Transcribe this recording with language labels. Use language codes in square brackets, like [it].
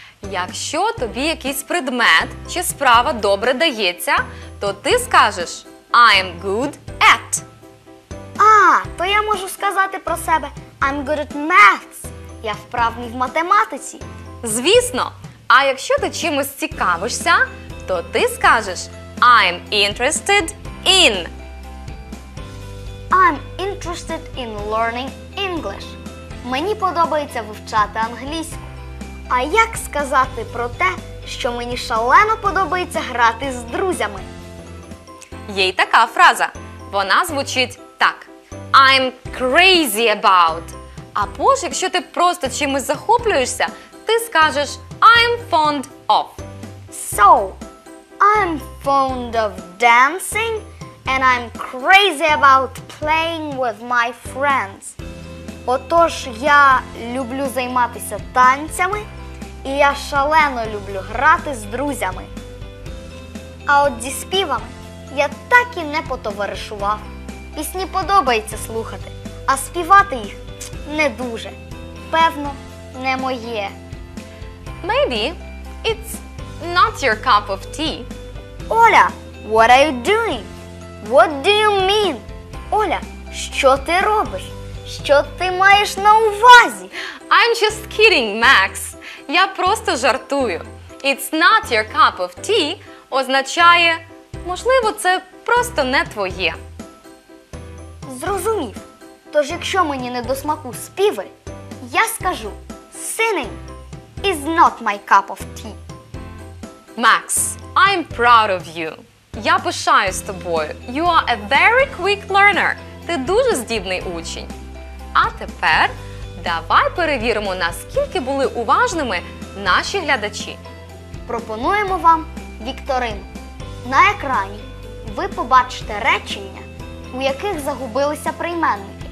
[uk] Якщо тобі якийсь предмет чи справа добре дається, то ти скажеш [en] I'm good at. [uk] А, то я можу сказати про себе [en] I'm good at maths. [uk] Я вправний в математиці. Звісно. А якщо ти чимось цікавишся, то ти скажеш [en] I'm interested in. I'm interested in learning English. [uk] Мені подобається вивчати англійську. А як сказати про те, що мені шалено подобається грати з друзями? Є й така фраза. Вона звучить так. [en] I'm crazy about. [uk] Або ж, якщо ти просто чимось захоплюєшся, ти скажеш [en] I'm fond of. So, I'm fond of dancing and I'm crazy about playing with my friends. [uk] Отож, я люблю займатися танцями, і я шалено люблю грати з друзями. А от зі співами я так і не потоваришував. Пісні подобається слухати, а співати їх не дуже. Певно, не моє. [en] Maybe it's not your cup of tea. Оля, what are you doing? What do you mean? [uk] Оля, що ти робиш? Що ти маєш на увазі? [en] I'm just kidding, Max. [uk] Я просто жартую. [en] It's not your cup of tea [uk] означає, можливо, це просто не твоє. Зрозумів. Тож, якщо мені не до смаку співи, я скажу [en] singing is not my cup of tea. Max, I'm proud of you. [uk] Я пишаюсь тобою. [en] You are a very quick learner. [uk] Ти дуже здібний учень. А тепер давай перевіримо, наскільки були уважними наші глядачі. Пропонуємо вам вікторину. На екрані ви побачите речення, у яких загубилися прийменники.